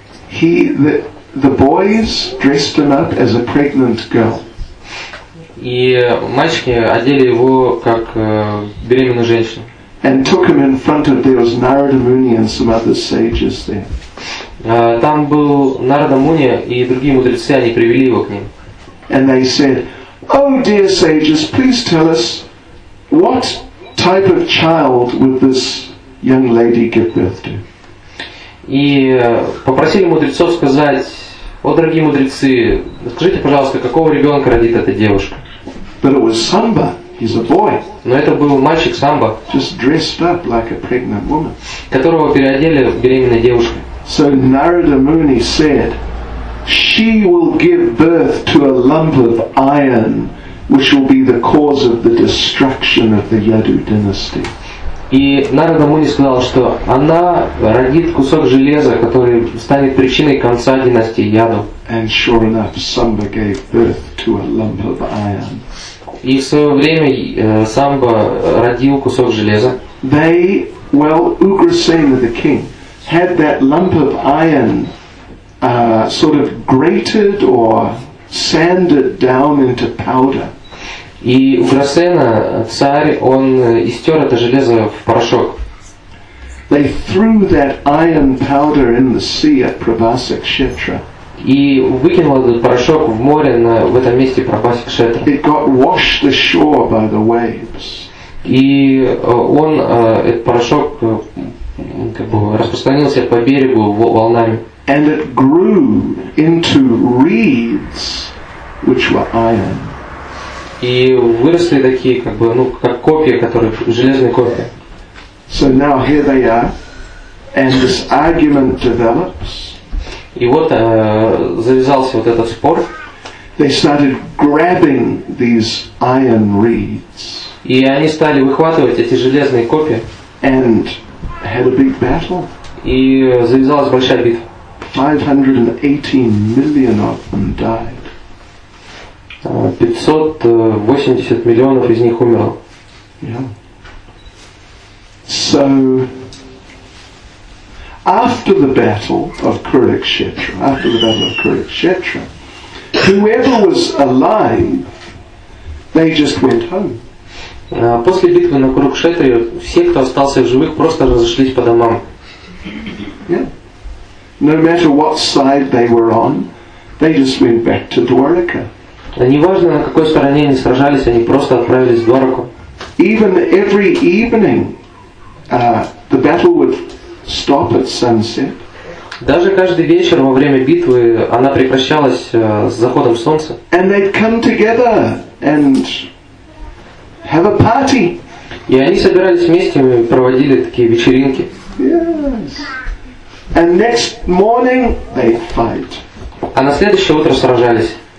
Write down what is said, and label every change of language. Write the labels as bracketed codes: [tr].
[en] He, the boys dressed him up as a pregnant girl. [ru] И мальчики одели его как беременную женщину. [en] And took him in front of, there was Narada Muni and some other sages there. [ru] Там был Нарада Муни и другие мудрецы, они привели его к ним. [en] And they said, oh dear sages, please tell us, what type of child would this young lady give birth to? [ru] И попросили мудрецов сказать, о дорогие мудрецы, скажите, пожалуйста, какого ребенка родит эта девушка? [en] But it was Samba. He's a boy. [ru] Но это был мальчик Самба. [en] Just dressed up like a pregnant woman. [ru] Которого переодели в беременной девушке. [en] So Narada Muni said, she will give birth to a lump of iron, which will be the cause of the destruction of the Yadu dynasty. [ru] И Нарада Муни сказал, что она родит кусок железа, который станет причиной конца династии Яду. [en] And sure enough, Samba gave birth to a lump of iron. [ru] И в свое время Самба родил кусок железа. [en] They, well, Ugrasena, the king, had that lump of iron sort of grated or sanded down into powder. [ru] И Ugrasena, царь, он истер это железо в порошок. [en] They threw that iron powder in the sea at Prabhasa Kshetra. [ru] И выкинул этот порошок в море на, в этом месте Прабхасакшетра. [en] It got washed ashore by the waves. [ru] И он, этот порошок, как бы распространился по берегу волнами. [en] And it grew into reeds, which were iron. [ru] И выросли такие, как бы, ну, как копья, которые, железные копья. [en] So now here they are, and this argument develops. [ru] И вот завязался вот этот спор. [en] They started grabbing these iron reeds. [ru] И они стали выхватывать эти железные копья. [en] And had a big battle. [ru] И завязалась большая битва. [en] 518 million of them died. [ru] 580 миллионов из них умерло. Yeah. [en] So After the battle of Kurukshetra, whoever was alive, they just went home. [ru] После битвы на Курукшетре все, кто остался в живых, просто разошлись по домам. [en] Yeah. No matter what side they were on, they just went back to Dwarka. [ru] Неважно, на какой стороне они сражались, они просто отправились в Двараку. [en] Even every evening, the battle would stop at sunset. [ru] Даже каждый вечер во время битвы она прекращалась с заходом солнца. [en] And they'd come together and have a party. [ru] И они собирались вместе и проводили такие вечеринки. [en] Yes. And next morning they fight. [ru] А на следующее утро сражались.